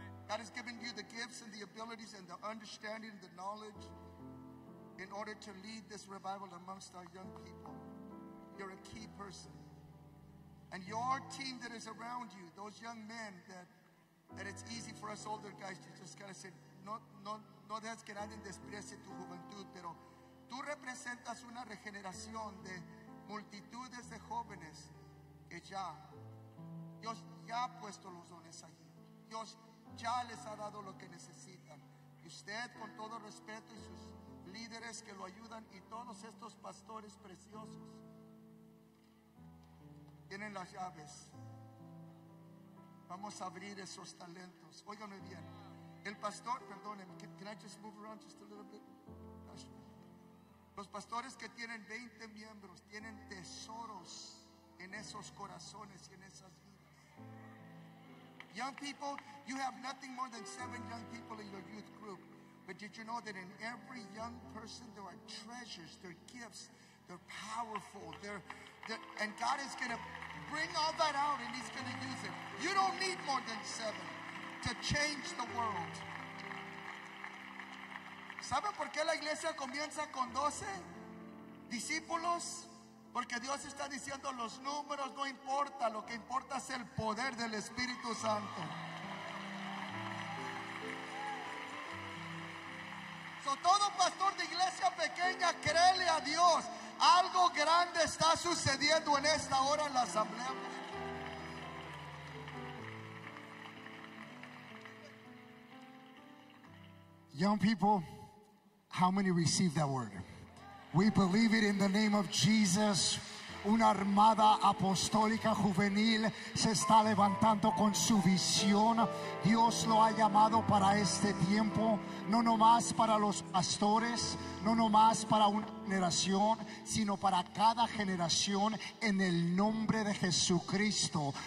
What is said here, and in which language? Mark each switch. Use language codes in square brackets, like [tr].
[en] God has given you the gifts and the abilities and the understanding and the knowledge in order to lead this revival amongst our young people. You're a key person. And your team that is around you, those young men that it's easy for us older guys to just kind of say, [es] no dejes que nadie desprecie tu juventud, pero tú representas una regeneración de multitudes de jóvenes que ya Dios ya ha puesto los dones allí. Dios ya les ha dado lo que necesitan. Y usted, con todo respeto, y sus líderes que lo ayudan, y todos estos pastores preciosos, tienen las llaves. Vamos a abrir esos talentos. Óigame bien. El pastor, perdónenme, [en] can I just move around just a little bit? [es] Los pastores que tienen 20 miembros tienen tesoros en esos corazones y en esas vidas. [en] Young people, you have nothing more than 7 young people in your youth group. But did you know that in every young person there are treasures, their gifts, they're powerful, and God is going to bring all that out and he's going to use it. You don't need more than 7 to change the world. [es] ¿Sabe por qué la iglesia comienza con 12 discípulos? Porque Dios está diciendo los números no importa, lo que importa es el poder del Espíritu Santo. So, todo pastor de iglesia pequeña, créele a Dios. Algo grande está sucediendo en esta hora en la asamblea. [en] Young people, how many receive that word? We believe it in the name of Jesus. [es] Una armada apostólica juvenil se está levantando con su visión. Dios lo ha llamado para este tiempo, no nomás para los pastores, no nomás para una generación, sino para cada generación en el nombre de Jesucristo.